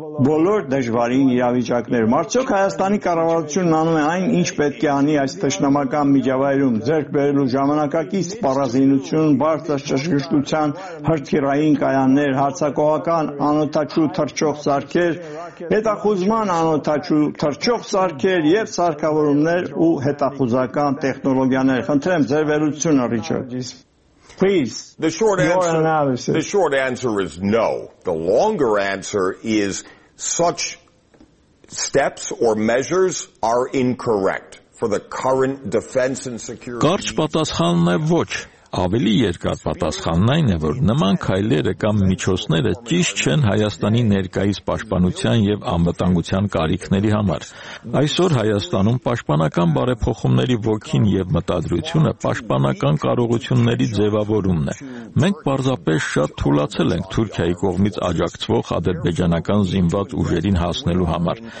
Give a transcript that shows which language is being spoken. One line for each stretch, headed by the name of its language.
Armenian: բոլոր դժվարին իրավիճակներում։ Արդյոք Հայաստանի կառավարությունն անում է այն, ինչ պետք է անի այս թշնամական միջավայրում՝ ձեռք բերելու ժամանակակից սպառազինություն, բարձր ճշգրտության հրթիռային կայաններ, հարձակողական անօթաչու թռչող սարքեր, հետախուզման անօթաչու թռչող սարքեր եւ սարքավորումներ ու հետախուզական տեխնոլոգիաներ։ Խնդրեմ ձեր վերլուծ
English: Please, the short answer, the short answer is no. The longer answer is such steps or measures are incorrect for the current defense and security.
Armenian: Կարճ պատասխանն է ոչ, ավելի երկար պատասխանն այն է, որ նման քայլերը կամ միջոցները ճիշտ չեն Հայաստանի ներկայիս պաշտպանության եւ անվտանգության կարիքների համար։ Այսօր Հայաստանում պաշտպանական բարեփոխումների ոգին եւ մտադրությունը պաշտպանական կարողությունների ձևավորումն է։ Մենք պարզապես շատ թուլացել ենք Թուրքիայի կողմից աջակցվող ադրբեջանական զինված ուժերին հասնելու համար։